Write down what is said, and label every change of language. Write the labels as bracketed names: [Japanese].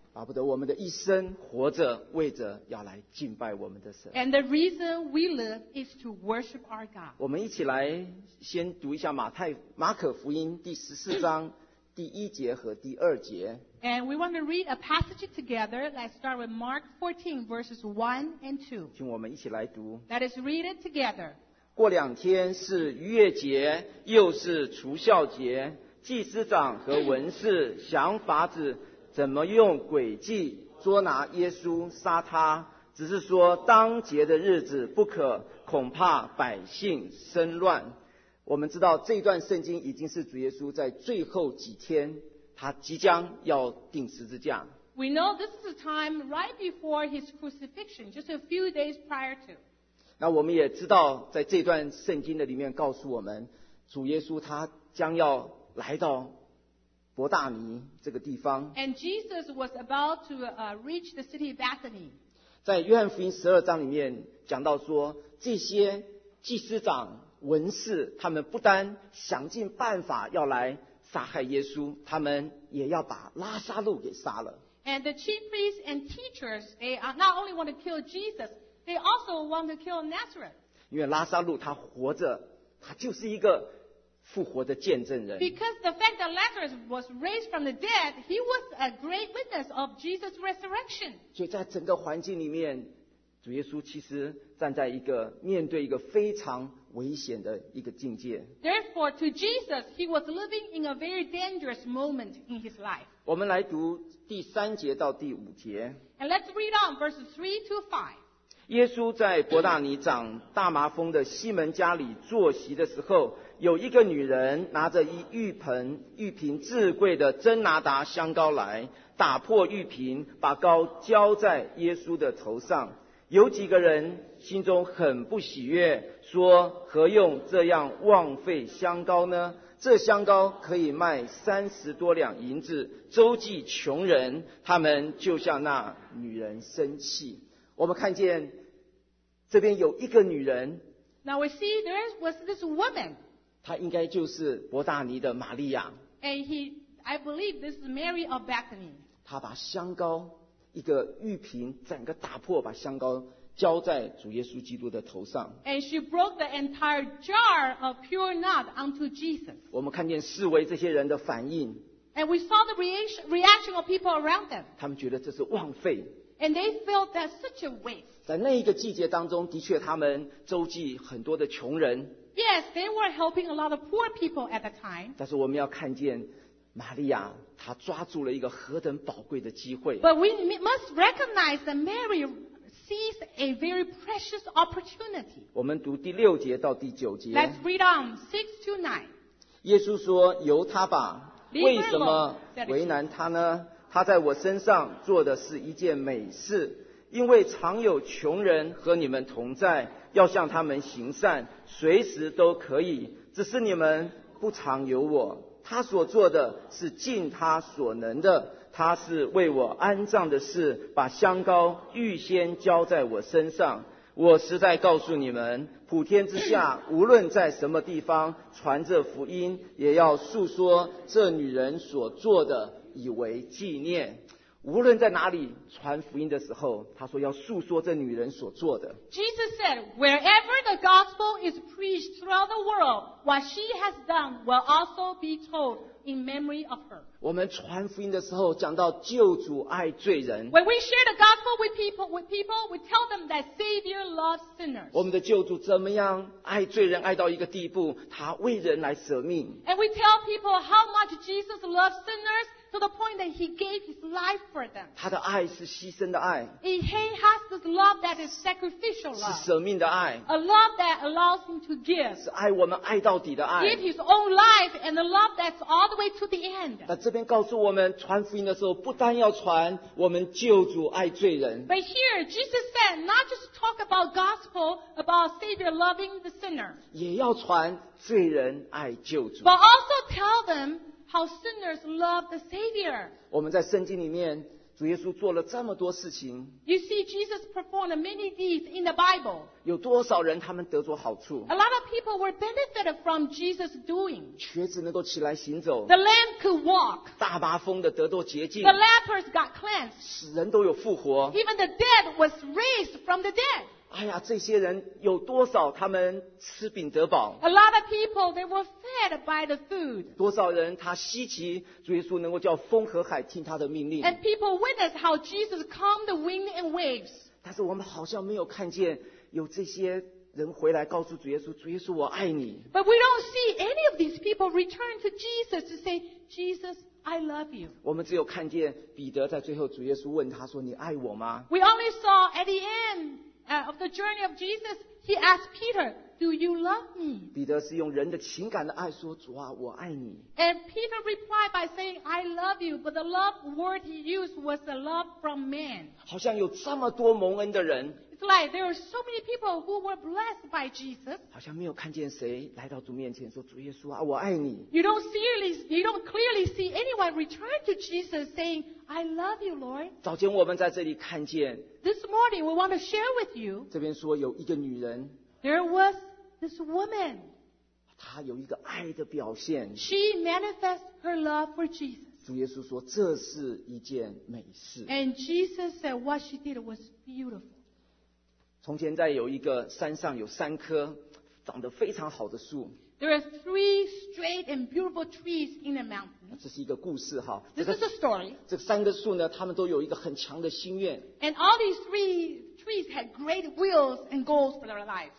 [Chinese] 巴不得我们的一生活着为着要来敬拜我们的神。 [English] And the reason we live is to worship our God. [Chinese] 我们一起来先读一下马可福音第十四章第一节和第二节。 [English] And we want to read a passage together. Let's start with Mark 14 verses 1 and 2. [Chinese] 请我们一起来读。 [English] Let us read it together. [Chinese] 过两天是逾越节，又是除酵节，祭司长和文士想法子怎么用诡计捉拿耶稣杀他，只是说当节的日子不可，恐怕百姓生乱。我们知道这段圣经已经是主耶稣在最后几天他即将要钉十字架。 [English] We know this is a time right before his crucifixion, just a few days prior to. [Chinese] 那我们也知道在这段圣经的里面告诉我们主耶稣他将要来到伯大尼这个地方。 [English] And Jesus was about to reach the city of Bethany. [Chinese] 在约翰福音十二章里面讲到说，这些祭司长、文士，他们不单想尽办法要来杀害耶稣，他们也要把拉撒路给杀了。 [English] And the chief priests and teachers, they not only want to kill Jesus, they also want to kill Nazareth. [Chinese] 因为拉撒路他活着，他就是一个复活的见证人。 [English] Because the fact that Lazarus was raised from the dead, he was a great witness of Jesus' resurrection. [Chinese] 所以在整个环境里面，主耶稣其实站在一个面对一个非常危险的一个境界。 [English] Therefore, to Jesus, he was living in a very dangerous moment in his life. [Chinese] 我们来读第三节到第五节。 [English] And let's read on verses 3 to 5. [Chinese] 耶稣在伯大尼长大麻风的西门家里坐席的时候，有一个女人拿着一玉瓶至贵的真拿达香膏来，打破玉瓶，把膏浇在耶稣的头上。有几个人心中很不喜悦，说何用这样浪费香膏呢？这香膏可以卖30多两银子，周济穷人。他们就向那女人生气。我们看见这边有一个女人。 [English] Now we see there was this woman. [Chinese] 她应该就是伯大尼的玛利亚。 [English] And I believe this is Mary of Bethany. [Chinese] 她把香膏一个玉瓶整个打破，把香膏浇在主耶稣基督的头上。 [English] And she broke the entire jar of pure nard onto Jesus. [Chinese] 我们看见四围这些人的反应。 [English] And we saw the reaction of people around them. [Chinese] 他们觉得这是浪费。 [English] And they felt that such a waste. [Chinese] 在那一个季节当中，的确他们周济很多的穷人。 [English] Yes, they were helping a lot of poor people at the time. [Chinese] 但是我们要看见玛利亚，她抓住了一个何等宝贵的机会。 [English] But we must recognize that Mary seized a very precious opportunity. [Chinese] 我们读第六节到第九节。 [English] Let's read on 6 to 9. [Chinese] 耶稣说：“由他吧，为什么为难他呢？他在我身上做的是一件美事，因为常有穷人和你们同在。” 要向他们行善，随时都可以，只是你们不常有我。他所做的是尽他所能的，他是为我安葬的事，把香膏预先浇在我身上。我实在告诉你们，普天之下无论在什么地方传这福音，也要述说这女人所做的，以为纪念。无论在哪里传福音的时候，他说要述说这女人所做的。 [English] Jesus said, wherever the gospel is preached throughout the world, what she has done will also be told in memory of her. [Chinese] 我们传福音的时候讲到救主爱罪人。 [English] When we share the gospel with people, we tell them that Savior loves sinners. [Chinese] 我们的救主怎么样爱罪人，爱到一个地步，他为人来舍命。 [English] And we tell people how much Jesus loves sinners,to the point that he gave his life for them. [Chinese] 他的爱是牺牲的爱。 [English] He has this love that is sacrificial love. [Chinese] 是舍命的爱。 [English] A love that allows him to give. [Chinese] 是爱我们爱到底的爱。 [English] Give his own life and a love that's all the way to the end. [Chinese] 那这边告诉我们，传福音的时候不单要传我们救主爱罪人。 [English] But here, Jesus said, not just talk about gospel, about Savior loving the sinner. [Chinese] 也要传罪人爱救主。 [English] But also tell them, how sinners love the Savior. [Chinese] 我们在圣经里面，主耶稣做了这么多事情。 [English] You see, Jesus performed many deeds in the Bible. [Chinese] 有多少人他们得着好处 [English] ？A lot of people were benefited from Jesus' doing. [Chinese] 瘸子能够起来行走。 [English] The lame could walk. [Chinese] 大麻风的得着洁净。 [English] The lepers got cleansed. [Chinese] 死人都有复活。 [English] Even the dead was raised from the dead. [Chinese] 哎呀，这些人有多少他们吃饼得饱 [English] ？A lot of people they were fed by the food. [Chinese] 多少人他稀奇主耶稣能够叫风和海听他的命令 [English] ？And people witnessed how Jesus calmed the wind and waves. [Chinese] 但是我们好像没有看见有这些人回来告诉主耶稣：“主耶稣，我爱你。 [English] ”But we don't see any of these people return to Jesus to say, Jesus. I love you. [Chinese] 我们只有看见彼得在最后主耶稣问他说你爱我吗 [English] We only saw at the end of the journey of Jesus, he asked Peter, do you love me? [Chinese] 彼得是用人的情感的爱说主啊我爱你 [English] And Peter replied by saying, I love you, but the love word he used was the love from man. [Chinese] 好像有这么多蒙恩的人 [English] It's like there are so many people who were blessed by Jesus. [Chinese] 好像没有看见谁来到主面前说主耶稣啊我爱你 [English] You don't clearly see anyone returned to Jesus saying, I love you, Lord. [Chinese] 早间我们在这里看见 [English] This morning, we want to share with you. [Chinese] 这边说有一个女人 [English] There was this woman. [Chinese] 她有一个爱的表现 [English] She manifests her love for Jesus. [Chinese] 主耶稣说这是一件美事 [English] And Jesus said what she did was beautiful. [Chinese] 从前在有一个山上有三棵长得非常好的树 [English] There are three straight and beautiful trees in the mountain. [Chinese] 这是一个故事哈。 [English] This is a story. [Chinese] 这三个树呢，他们都有一个很强的心愿。 [English] And all these three trees had great wills and goals for their lives.